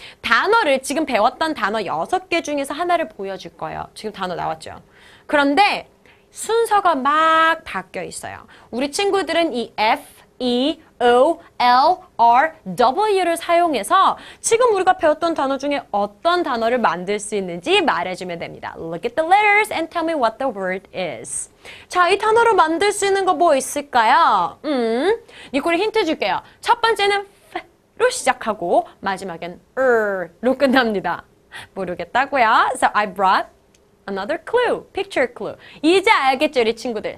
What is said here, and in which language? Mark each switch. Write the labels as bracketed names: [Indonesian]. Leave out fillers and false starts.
[Korean] 단어를 지금 배웠던 단어 6개 중에서 하나를 보여줄 거예요. 지금 단어 나왔죠? 그런데 순서가 막 바뀌어 있어요. 우리 친구들은 이 F, E, O, L, R, W를 사용해서 지금 우리가 배웠던 단어 중에 어떤 단어를 만들 수 있는지 말해주면 됩니다. [English] Look at the letters and tell me what the word is. [Korean] 자, 이 단어로 만들 수 있는 거 뭐 있을까요? 니콜이 힌트 줄게요. 첫 번째는 로 시작하고 마지막엔 으로 끝납니다. 모르겠다고요. [English] So I brought another clue, picture clue. [Korean] 이제 알겠죠, 우리 친구들?